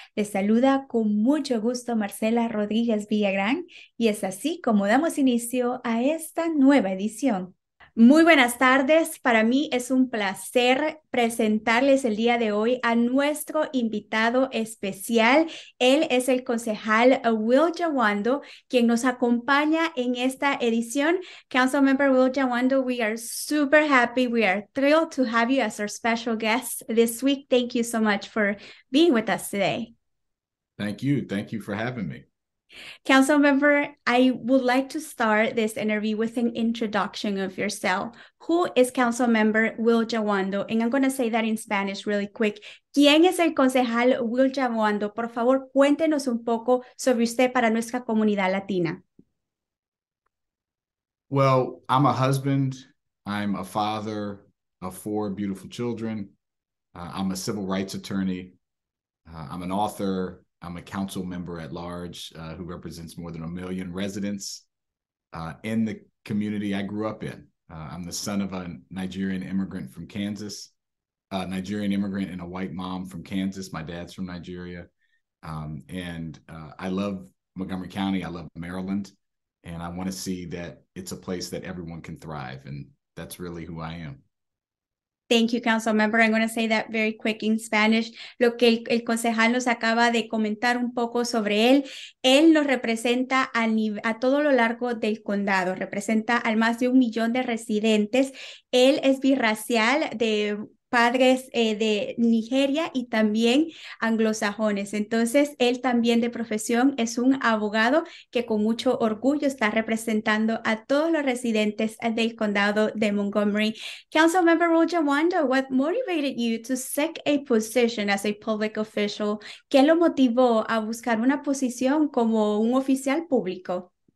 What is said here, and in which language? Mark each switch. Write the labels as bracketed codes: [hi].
[es] Les saluda con mucho gusto Marcela Rodríguez Villagrán y es así como damos inicio a esta nueva edición. Muy buenas tardes, para mí es un placer presentarles el día de hoy a nuestro invitado especial. Él es el concejal Will Jawando, quien nos acompaña en esta edición. [en] Councilmember Will Jawando, we are super happy, we are thrilled to have you as our special guest this week. Thank you so much for being with us today. Thank you for having me. Councilmember, I would like to start this interview with an introduction of yourself. Who is Councilmember Will Jawando? And I'm going to say that in Spanish really quick. [es] ¿Quién es el concejal Will Jawando? Por favor, cuéntenos un poco sobre usted para nuestra comunidad latina. [en] Well, I'm a husband, I'm a father of four beautiful children. I'm a civil rights attorney. I'm an author. I'm a council member at large who represents more than a million residents in the community I grew up in. I'm the son of a Nigerian immigrant from Kansas, a Nigerian immigrant and a white mom from Kansas. My dad's from Nigeria. I love Montgomery County. I love Maryland. And I want to see that it's a place that everyone can thrive. And that's really who I am. Thank you, Council Member. I'm going to say that very quick in Spanish. [es] Lo que el concejal nos acaba de comentar un poco sobre él, él nos representa a todo lo largo del condado, representa al más de 1 millón de residentes. Él es birracial de padres de Nigeria y también anglosajones. Entonces, él también de profesión es un abogado que con mucho orgullo está representando a todos los residentes del condado de Montgomery. [en] Councilmember Roger Wando, what motivated you to seek a position as a public official? [es] ¿Qué lo motivó a buscar una posición como un oficial público?